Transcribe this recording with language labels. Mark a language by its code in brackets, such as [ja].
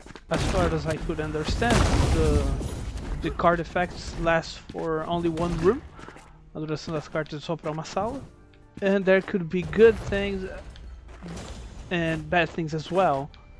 [en] As far as I could understand, the card effects last for only one room. [pt] A duração das cartas é só para uma sala. [en] And there could be good things and bad things as well.